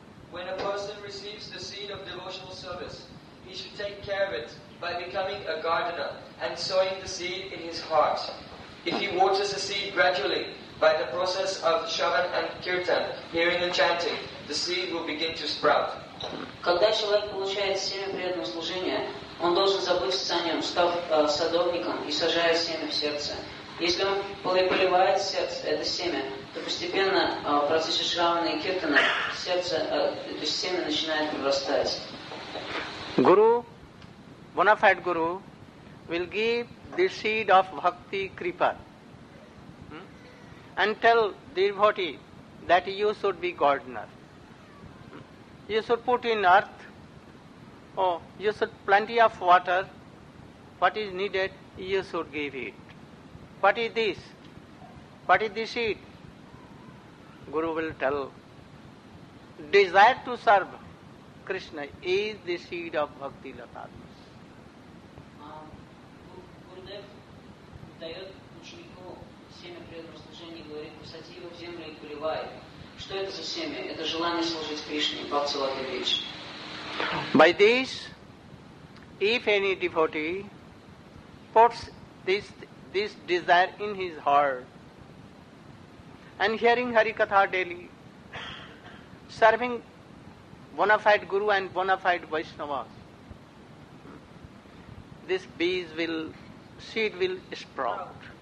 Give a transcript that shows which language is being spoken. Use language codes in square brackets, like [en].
[en] When a person receives the seed of devotional service, he should take care of it by becoming a gardener and sowing the seed in his heart. If he waters the seed gradually by the process of shravan and kirtan, hearing and chanting, the seed will begin to sprout. [ru] Когда человек получает семя преданного служения, он должен заботиться о нем, став садовником и сажая семя в сердце. Если он поливает сердце, это семя, то постепенно в процессе шравана и киртана сердце, то есть семя начинает вырастать. [en] Guru, bona fide guru, will give the seed of bhakti kripa and tell the devotee that you should be gardener. You should put in earth, you should plenty of water, what is needed, you should give it. What is this? What is the seed? Guru will tell. Desire to serve Krishna is the seed of bhakti lata. [ru] Gurudev дает ученику семя преданного служения и говорит, посади его в землю и поливай. Что это за семя? Это желание служить Кришне, бхакти лата вид. [en] By this, if any devotee puts this desire in his heart, and hearing Harikatha daily, serving bona fide Guru and bona fide Vaishnavas, this seed will sprout.